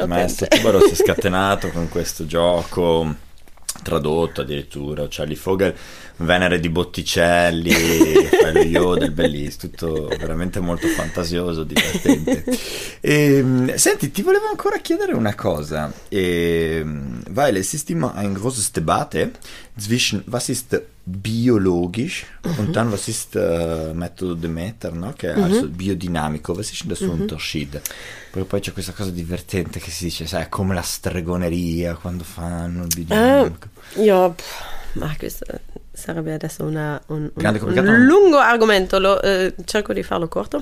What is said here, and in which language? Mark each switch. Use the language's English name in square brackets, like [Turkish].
[Italian] Il maestro Tubaro si è scatenato con questo gioco, tradotto addirittura, Charlie Fogel, Venere di Botticelli, quello io del Bellis, tutto veramente molto fantasioso, divertente. E, senti, ti volevo ancora chiedere una cosa. [German] Weil es ist immer ein großes Debatte zwischen was ist biologisch und dann was ist Methode Demeter, no? [Italian] Che è [German] also biodinamico, was ist das Unterschied? [Italian] Perché poi c'è questa cosa divertente che si dice, sai, come la stregoneria quando fanno il biodinamico. Io, ma questo sarebbe adesso un lungo argomento, cerco di farlo corto.